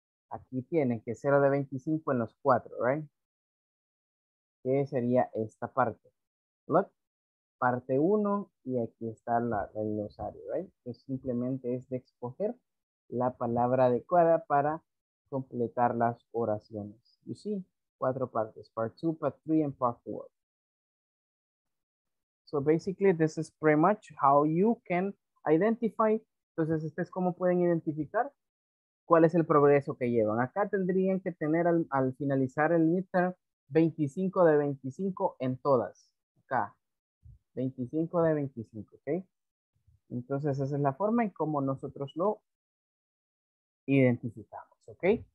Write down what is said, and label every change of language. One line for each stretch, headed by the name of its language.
Spanish: Aquí tienen que 0 de 25 en los 4, ¿right? ¿Qué sería esta parte?
English: Look,
Spanish: parte 1 y aquí está el glosario, ¿right? Que simplemente es de escoger la palabra adecuada para completar las oraciones.
English: You see,
Spanish: 4 partes,
English: part 2, part 3, and part 4. So basically, this is pretty much how you can identify.
Spanish: Entonces, este es cómo pueden identificar cuál es el progreso que llevan. Acá tendrían que tener al finalizar el midterm 25 de 25 en todas. Acá. 25 de 25, ¿ok? Entonces, esa es la forma en cómo nosotros lo identificamos, ¿ok?